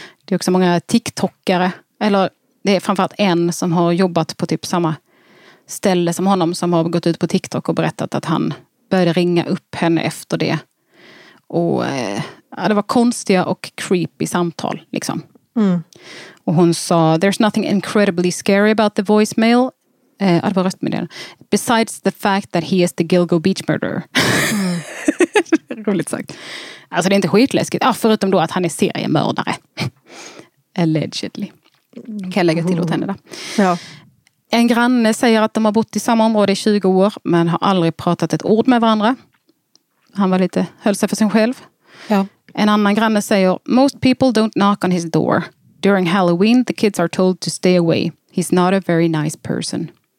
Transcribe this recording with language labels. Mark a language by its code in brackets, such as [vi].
[sv] Det är också många TikTokare. Eller det är framförallt en som har jobbat på typ samma ställe som honom som har gått ut på TikTok och berättat att han började ringa upp henne efter det. Och det var konstiga och creepy samtal liksom. Mm. Och hon sa, [en] there's nothing incredibly scary about the voicemail. [sv] Det var röstmeddelandet. [en] Besides the fact that he is the Gilgo Beach murderer. [sv] Roligt sagt. Alltså det är inte skitläskigt. Ah, förutom då att han är seriemördare. Allegedly. Kan jag lägga till åt henne där. Ja. En granne säger att de har bott i samma område i 20 år. Men har aldrig pratat ett ord med varandra. Han var lite, höll sig för sig själv. Ja. En annan granne säger, [en] most people don't knock on his door. During Halloween, the kids are told to stay away. He's not a very nice person.